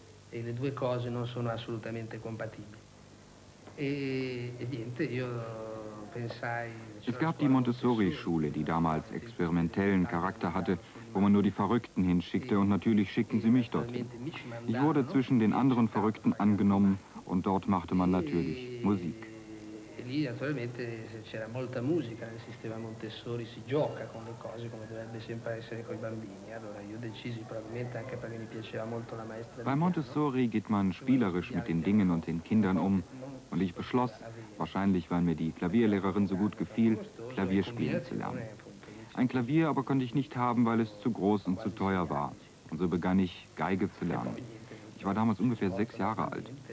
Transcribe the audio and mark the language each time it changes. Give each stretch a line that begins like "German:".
Italian: E le due cose non sono assolutamente compatibili. E niente, io pensai.
German: Es gab die Montessori-Schule, die damals experimentellen Charakter hatte, wo man nur die Verrückten hinschickte, und natürlich schickten sie mich dort. Ich wurde zwischen den anderen Verrückten angenommen und dort machte man natürlich Musik.
Italian: E lì naturalmente c'era molta musica nel sistema Montessori, si gioca con le cose come dovrebbe sempre essere con i bambini. Allora io decisi probabilmente anche perché mi piaceva molto la maestra.
German: Bei Montessori geht man spielerisch mit den Dingen und den Kindern um. Und ich beschloss, wahrscheinlich weil mir die Klavierlehrerin so gut gefiel, Klavier spielen zu lernen. Ein Klavier aber konnte ich nicht haben, weil es zu groß und zu teuer war. Und so begann ich, Geige zu lernen. Ich war damals ungefähr 6 Jahre alt.